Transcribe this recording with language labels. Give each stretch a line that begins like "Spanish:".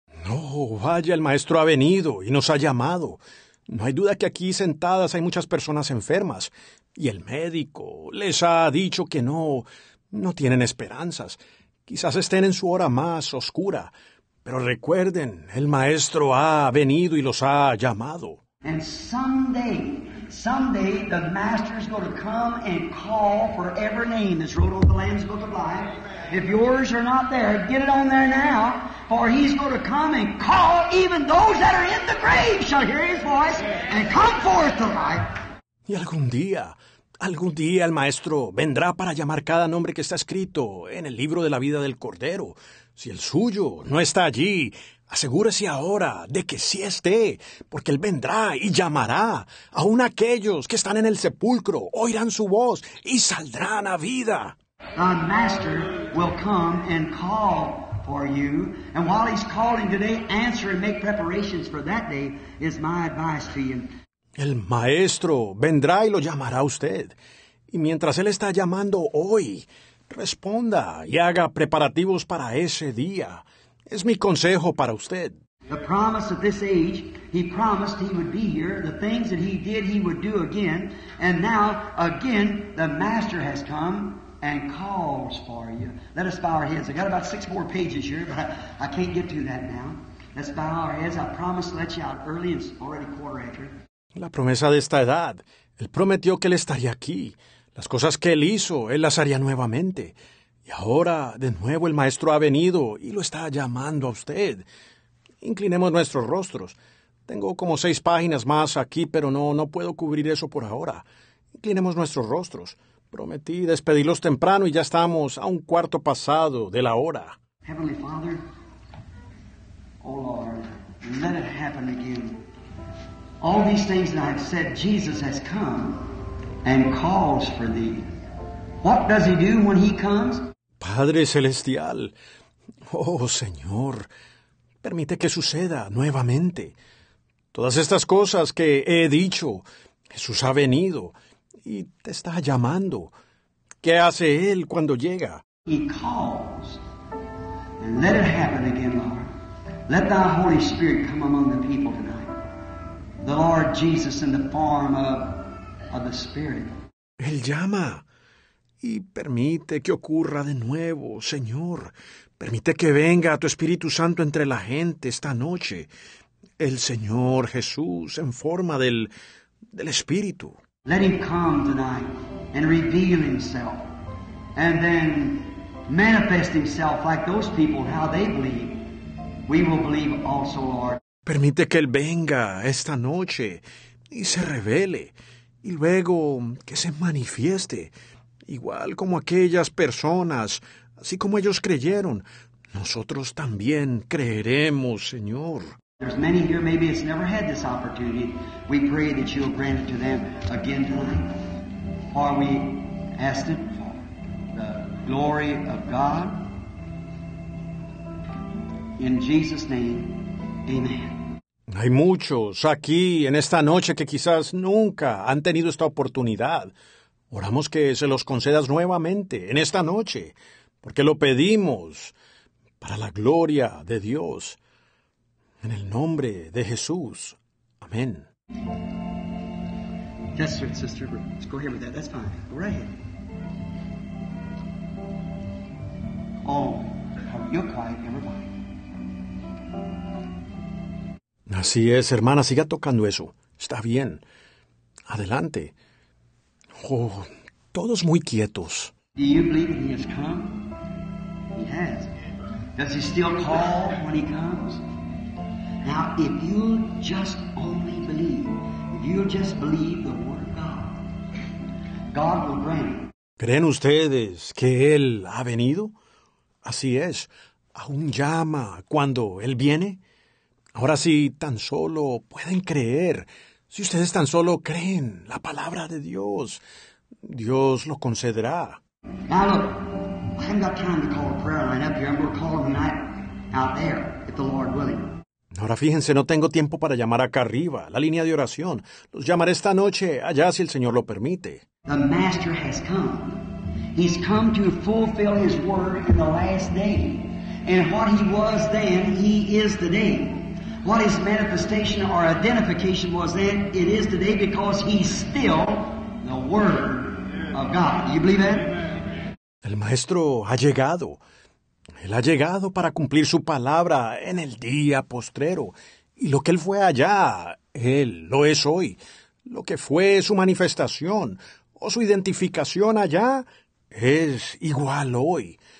Spanish: No, vaya, el Maestro ha venido y nos ha llamado. No hay duda que aquí sentadas hay muchas personas enfermas. Y el médico les ha dicho que no tienen esperanzas. Quizás estén en su hora más oscura. Pero recuerden, el Maestro ha venido y los ha llamado.
English: And someday the Master is going to come and call for every name that's wrote on the Lamb's Book of Life. If yours are not there, get it on there now, for he's going to come and call even those that are in the grave shall hear his voice and come forth to life.
Spanish: Y algún día el Maestro vendrá para llamar cada nombre que está escrito en el libro de la vida del Cordero. Si el suyo no está allí, asegúrese ahora de que sí esté, porque Él vendrá y llamará. Aún aquellos que están en el sepulcro oirán su voz y saldrán a vida.
English: The Master will come and call for you. And while He's calling today, answer and make preparations for that day is my advice to you.
Spanish: El Maestro vendrá y lo llamará a usted. Y mientras Él está llamando hoy, responda y haga preparativos para ese día. Es mi consejo para usted.
English: The promise of this age, he promised he would be here. The things that he did, he would do again. And now, again, the Master has come and calls for you. Let us bow our heads. I got about 6 more pages here, but I can't get to that now. Let's bow our heads. I promised to let you out early. It's already 4:15 after.
Spanish: La promesa de esta edad. Él prometió que Él estaría aquí. Las cosas que Él hizo, Él las haría nuevamente. Y ahora, de nuevo, el Maestro ha venido y lo está llamando a usted. inclinemos nuestros rostros. Tengo como 6 páginas más aquí, pero no puedo cubrir eso por ahora. Inclinemos nuestros rostros. Prometí despedirlos temprano y ya estamos a un cuarto pasado de la hora.
English: Heavenly Father, oh Lord, let it happen again. All these things that I have said, Jesus has come and calls for thee. What does he do when he comes?
Spanish: Padre Celestial, oh Señor, permite que suceda nuevamente. Todas estas cosas que he dicho, Jesús ha venido y te está llamando. ¿Qué hace Él cuando llega?
English: He calls. And let it happen again, Lord. Let thy Holy Spirit come among the people tonight. The Lord Jesus in the form of the Spirit.
Spanish: Él llama. Y permite que ocurra de nuevo, Señor. Permite que venga tu Espíritu Santo entre la gente esta noche. El Señor Jesús en forma del Espíritu.
English: Let him come tonight and reveal himself. And then manifest himself like those people, how they believe. We will believe also, Lord.
Spanish: Permite que Él venga esta noche y se revele. Y luego que se manifieste. Igual como aquellas personas, así como ellos creyeron, nosotros también creeremos, Señor.
English: There's many here, maybe it's never had this opportunity. We pray that you'll grant it to them again tonight. For we ask it for the glory of God. In Jesus' name, amen.
Spanish: Hay muchos aquí en esta noche que quizás nunca han tenido esta oportunidad. Oramos que se los concedas nuevamente en esta noche, porque lo pedimos para la gloria de Dios. En el nombre de Jesús. Amén.
English: That's right, sister. Let's go ahead with that. That's fine. Go right ahead. Oh, you're quiet, everybody.
Spanish: Así es, hermana. Siga tocando eso. Está bien. Adelante. Oh, todos muy quietos.
English: Do you believe he has come? He has. Does he still call when he comes? Now, if you just only believe, if you just believe the word of God, God will grant.
Spanish: ¿Creen ustedes que Él ha venido? Así es. Aún llama cuando Él viene. Ahora sí, tan solo pueden creer. Si ustedes tan solo creen la palabra de Dios, Dios lo concederá.
English: Now look, I haven't got time to call a prayer line up here. I'm going to call them tonight out there, if the Lord willing.
Spanish: Ahora fíjense, no tengo tiempo para llamar acá arriba, la línea de oración. Los llamaré esta noche allá si el Señor lo permite.
English: The Master has come. He's come to fulfill His word in the last day. And what He was then, He is today. What His manifestation or identification was then, it is today because He's still the Word of God. Do you believe that?
Spanish: El Maestro ha llegado. Él ha llegado para cumplir su palabra en el día postrero. Y lo que Él fue allá, Él lo es hoy. Lo que fue su manifestación o su identificación allá es igual hoy.